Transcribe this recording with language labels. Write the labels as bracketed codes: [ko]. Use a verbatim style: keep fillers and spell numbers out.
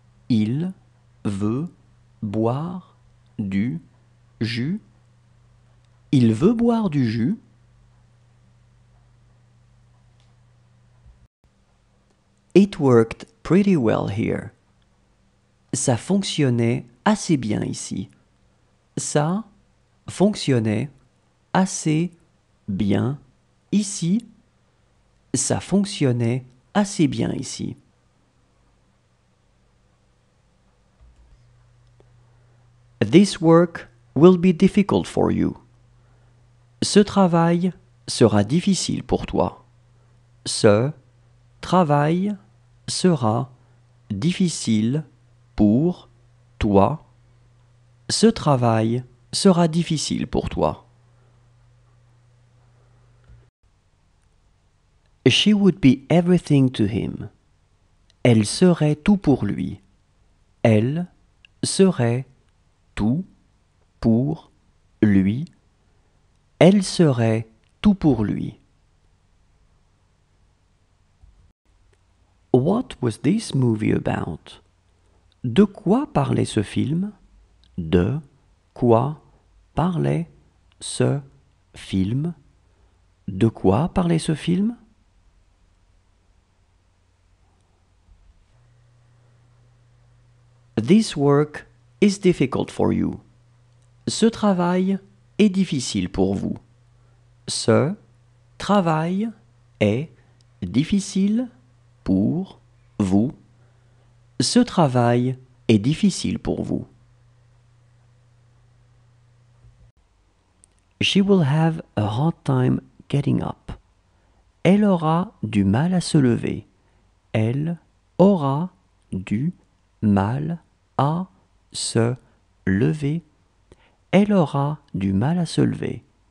[fr] Il veut boire du jus. Il veut boire du jus. [en] It worked pretty well here. [fr] Ça fonctionnait assez bien ici. Ça fonctionnait assez bien ici. Ça fonctionnait assez bien ici. [en] This work will be difficult for you. [fr] Ce travail sera difficile pour toi. Ce travail sera difficile pour toi. Ce travail sera difficile pour toi. [en] She would be everything to him. [fr] Elle serait tout pour lui. Elle serait tout pour lui. Elle serait tout pour lui. [en] What was this movie about? [fr] De quoi parlait ce film? De quoi parlait ce film? De quoi parlait ce film? [en] This work is difficult for you. [fr] Ce travail est difficile pour vous. Ce travail est difficile pour vous. Ce travail est difficile pour vous. [en] She will have a hard time getting up. [fr] Elle aura du mal à se lever. Elle aura du mal à se lever. Elle aura du mal à se lever.